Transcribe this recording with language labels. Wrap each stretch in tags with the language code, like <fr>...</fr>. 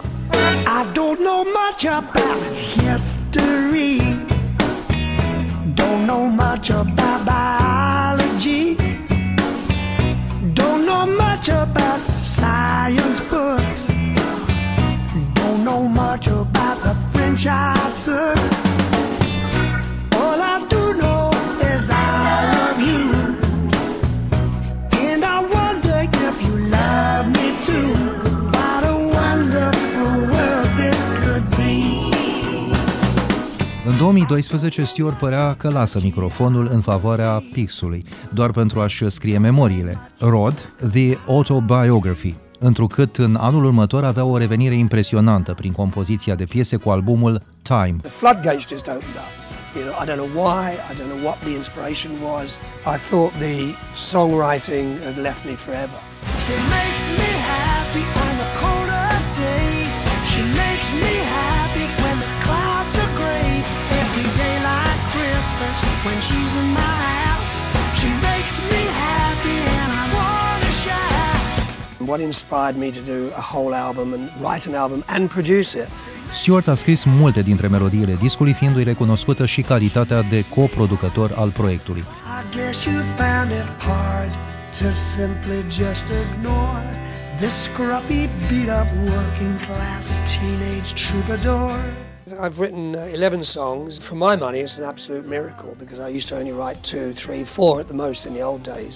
<en>I don't know much about history, don't know much about biology, don't know much about science books, don't know much about the French I took. All I do know is I love you, and I wonder if you love me too. What a wonderful world this could be.</en> <ro>În 2012, Stewart părea că lasă microfonul în favoarea Pixului, doar pentru a-și scrie memoriile. Rod, The Autobiography. Întrucât în anul următor avea o revenire impresionantă prin compoziția de piese cu albumul Time.</ro> <en>The floodgate just opened up. You know, I don't know why, I don't know what the inspiration was. I thought the songwriting had left me forever. She makes me happy on the coldest day. She makes me happy when the clouds are gray. Every day like Christmas when she's in my house. She makes me happy and I wanna shout. What inspired me to do a whole album and write an album and produce it?</en> <ro>Stewart a scris multe dintre melodiile discului, fiindu-i recunoscută și calitatea de coproducător al proiectului.</ro> <en>I guess you found it hard to simply just ignore this scruffy, beat-up, working-class teenage troubadour. I've written 11 songs. For my money, it's an absolute miracle, because I used to only write 2, 3, 4 at the most in the old days.</en>